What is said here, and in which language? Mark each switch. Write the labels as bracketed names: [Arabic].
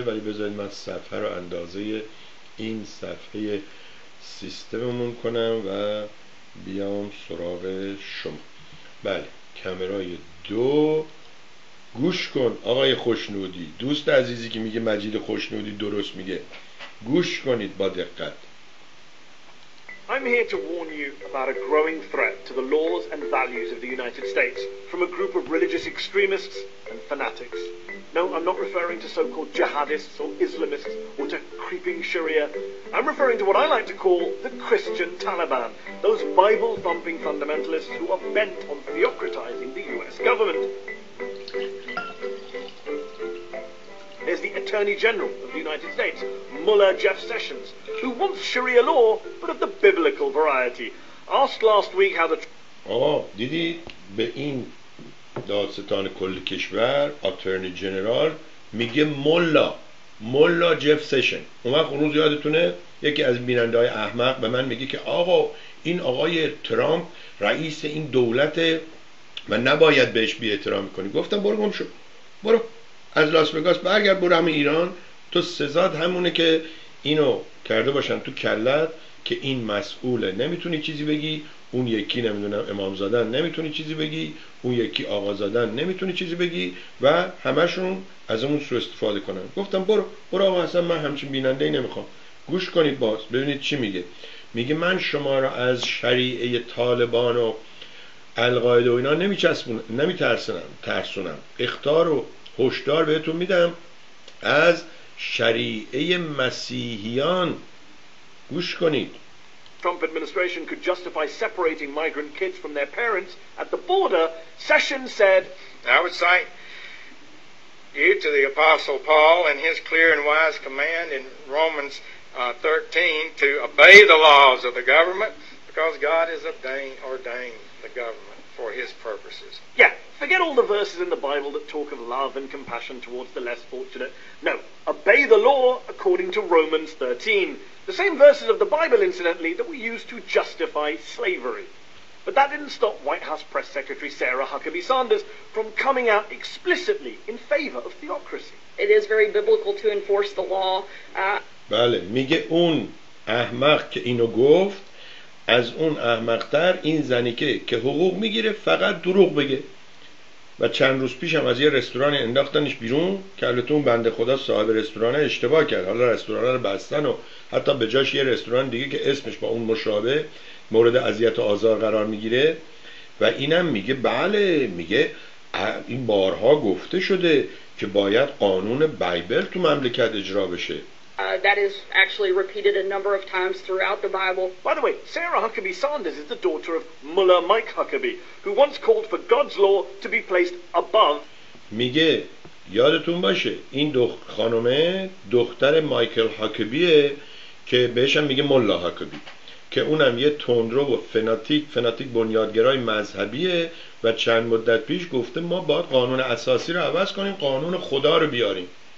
[Persian] ولی بذارید من صفحه رو اندازه این صفحه سیستممون کنم و بیام سراغ شما. بله کامرای دو. گوش کن آقای خوشنودی، دوست عزیزی که میگه مجید خوشنودی درست میگه، گوش کنید با دقت. [English] I'm here to warn you about a growing threat to the laws and values of the United States from a group of religious extremists and fanatics. No, I'm not referring to so-called jihadists or Islamists or to creeping Sharia. I'm referring to what I like to call the Christian Taliban, those Bible-thumping fundamentalists who are bent on theocratizing the US government. There's the Attorney General of the United States, Mullah Jeff Sessions, who wants Sharia law, but of the biblical variety. Asked last week how the... [Persian] Didi, be in دادستان کل کشور اترنی جنرال میگه مولا جف سشن. اون وقت اون روز یادتونه یکی از بیننده های احمق به من میگه که آقا این آقای ترامپ رئیس این دولته و نباید بهش بی احترامی کنی. گفتم برو گم شو، برو از لاس وگاس برگرد، برو همه ایران. تو سزاد همونه که اینو کرده باشن تو کلت که این مسئوله، نمیتونی چیزی بگی. اون یکی نمیدونم امامزادن نمیتونی چیزی بگی، اون یکی آقازادن نمیتونی چیزی بگی و همشون از اون سو استفاده کنن. گفتم برو آقا، اصلا من همچین بیننده ای نمیخوام. گوش کنید باز ببینید چی میگه. میگه من شما را از شریعه طالبان و القاعده و اینا نمیترسونم، اخطار و هشدار بهتون میدم از شریعه مسیحیان. گوش کنید. [English] Trump administration could justify separating migrant kids from their parents at the border, Sessions said. I would say, due to the Apostle Paul and his clear and wise command in Romans 13 to obey the laws of the government, because God has ordained the government for his purposes. Yeah, forget all the verses in the Bible that talk of love and compassion towards the less fortunate. No, obey the law according to Romans 13. The same verses of the Bible, incidentally, that we used to justify slavery. But that didn't stop White House Press Secretary Sarah Huckabee Sanders from coming out explicitly in favor of theocracy. It is very biblical to enforce the law. [Persian] بله میگه اون احمق که اینو گفت از اون احمقتر این زنی که حقوق میگیره فقط دروغ بگه. و چند روز پیش هم از یه رستوران انداختنش بیرون که البته بنده خدا صاحب رستوران اشتباه کرد، حالا رستوران رو بستن و حتی به جاش یه رستوران دیگه که اسمش با اون مشابه مورد اذیت و آزار قرار میگیره. و اینم میگه بله، میگه این بارها گفته شده که باید قانون بایبل تو مملکت اجرا بشه. [English] That is actually repeated a number of times throughout the Bible. By the way, Sarah Huckabee Sanders is the daughter of Mullah Mike Huckabee, who once called for God's law to be placed above. [Persian] میگه یادتون باشه این دختر خانومه دختر مایکل هاکبیه که بهش هم میگه ملا هاکبی، که اونم یه تندرو و فناتیک بنیادگرای مذهبیه و چند مدت پیش گفته ما باید قانون اساسی رو عوض کنیم، قانون خدا رو بیاریم.